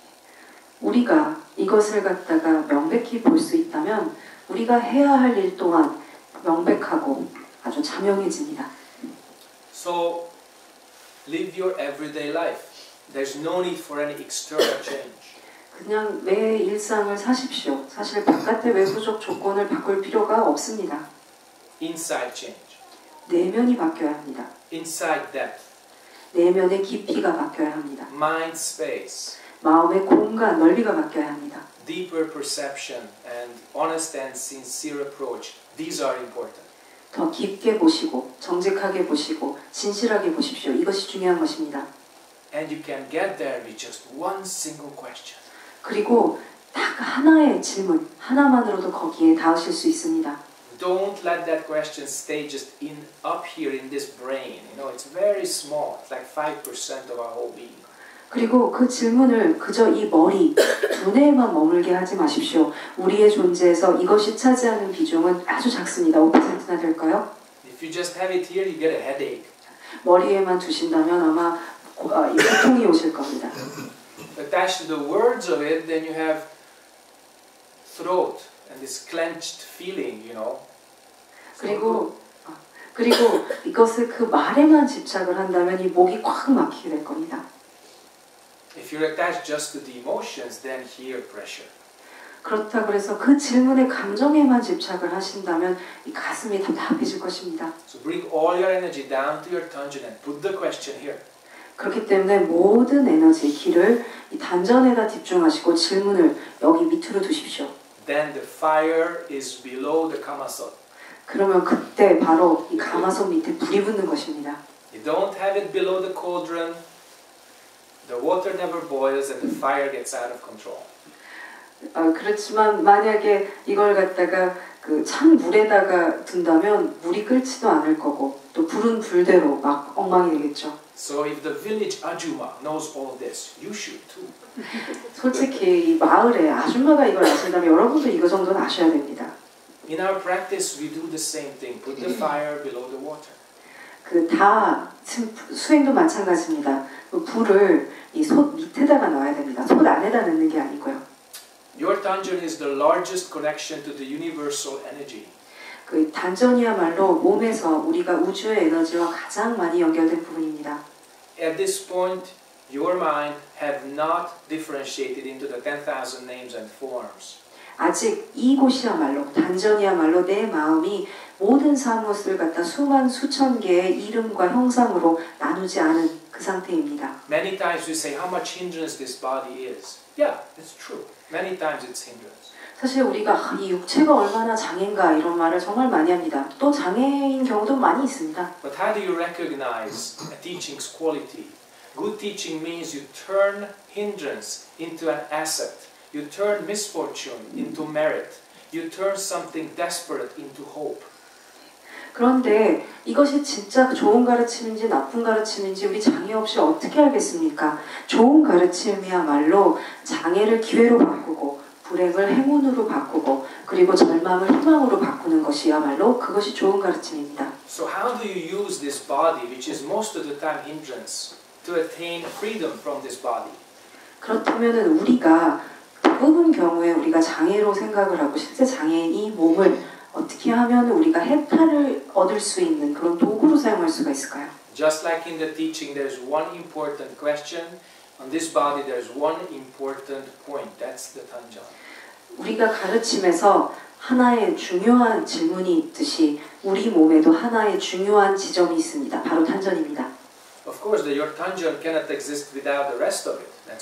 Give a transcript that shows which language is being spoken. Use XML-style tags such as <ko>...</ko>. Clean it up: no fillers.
<ko>우리가 이것을 갖다가 명백히 볼 수 있다면 우리가 해야 할 일 또한 명백하고 아주 자명해집니다.</ko> <en>So, live your everyday life. There's no need for any external change.</en> <ko>그냥 매 일상을 사십시오. 사실 바깥의 외부적 조건을 바꿀 필요가 없습니다.</ko> <en>Inside change.</en> <ko>내면이 바뀌어야 합니다.</ko> <en>Inside depth.</en> <ko>내면의 깊이가 바뀌어야 합니다.</ko> <en>Mind space.</en> <ko>마음의 공간, 넓이가 바뀌어야 합니다.</ko> <en>Deeper perception and honest and sincere approach. These are important.</en> <ko>더 깊게 보시고, 정직하게 보시고, 진실하게 보십시오. 이것이 중요한 것입니다.</ko> <en>And you can get there with just one single question.</en> <ko>그리고 딱 하나의 질문, 하나만으로도 거기에 닿으실 수 있습니다.</ko> <en>Don't let that question stay just in up here in this brain. You know, it's very small. It's like 5% of our whole being.</en> <ko>그리고 그 질문을 그저 이 머리, 두뇌에만 머물게 하지 마십시오. 우리의 존재에서 이것이 차지하는 비중은 아주 작습니다. 5%나 될까요?</ko> <en>If you just have it here, you get a headache.</en> <ko>머리에만 두신다면 아마 고통이 오실 겁니다.</ko> <en>Attach to the words of it, then you have throat. And this clenched feeling, you know.</en> <ko>그리고 이것을 그 말에만 집착을 한다면 이 목이 꽉 막히게 될 겁니다.</ko> <en>If you're attached just to the emotions, then here pressure.</en> <ko>그렇다 그래서 그 질문의 감정에만 집착을 하신다면 이 가슴이 답답해질 것입니다.</ko> <en>So bring all your energy down to your tongue and put the question here.</en> <ko>그렇기 때문에 모든 에너지 기를 이 단전에다 집중하시고 질문을 여기 밑으로 두십시오.</ko> <en>Then the fire is below the kamasot.</en> <ko>그러면 그때 바로 이 가마솥 밑에 불이 붙는 것입니다.</ko> <en>You don't have it below the cauldron. The water never boils and the fire gets out of control.</en> <ko>그렇지만 만약에 이걸 갖다가 그 찬 물에다가 둔다면 물이 끓지도 않을 거고 또 불은 불대로 막 엉망이 되겠죠.</ko> <en>So if the village ajumma knows all this, you should too.</en> <ko>솔직히 이 마을에 아줌마가 이걸 아신다면 여러분도 이거 정도는 아셔야 됩니다.</ko> <en>In our practice, we do the same thing. Put the fire below the water.</en> <ko>그 다 수행도 마찬가지입니다. 불을 이 솥 밑에다가 넣어야 됩니다. 솥 안에다 넣는 게 아니고요.</ko> <en>Your tanjon is the largest connection to the universal energy.</en> <ko>그 단전이야말로 몸에서 우리가 우주의 에너지와 가장 많이 연결된 부분입니다.</ko> <en>At this point, your mind have not differentiated into the 10,000 names and forms.</en> <ko>아직 이곳이야말로 단전이야말로 내 마음이 모든 사무엇을 갖다 수만 수천 개의 이름과 형상으로 나누지 않은 그 상태입니다.</ko> <en>Many times we say how much hindrance this body is. Yeah, it's true. Many times it's hindrance.</en> <ko>사실 우리가 이 육체가 얼마나 장애인가 이런 말을 정말 많이 합니다. 또 장애인 경우도 많이 있습니다.</ko> <en>But how do you recognize a teaching's quality? Good teaching means you turn hindrance into an asset. You turn misfortune into merit. You turn something desperate into hope.</en> <ko>그런데 이것이 진짜 좋은 가르침인지 나쁜 가르침인지 우리 장애 없이 어떻게 알겠습니까? 좋은 가르침이야말로 장애를 기회로 바꾸고 불행을 행운으로 바꾸고 그리고 절망을 희망으로 바꾸는 것이야말로 그것이 좋은 가르침입니다.</ko> <en>So how do you use this body, which is most of the time hindrance, to attain freedom from this body?</en> <ko>그렇다면은 우리가 대부분 경우에 우리가 장애로 생각을 하고 실제 장애인이 몸을 어떻게 하면 우리가 해탈을 얻을 수 있는 그런 도구로 사용할 수가 있을까요?</ko> <en>Just like in the teaching, there's one important question. On this body, there's one important point. That's the tanja.</en> <ko>우리가 가르침에서 하나의 중요한 질문이 있듯이 우리 몸에도 하나의 중요한 지점이 있습니다. 바로 단전입니다.</ko> <en>Of course, the your tanjon cannot exist without the rest of it.</en>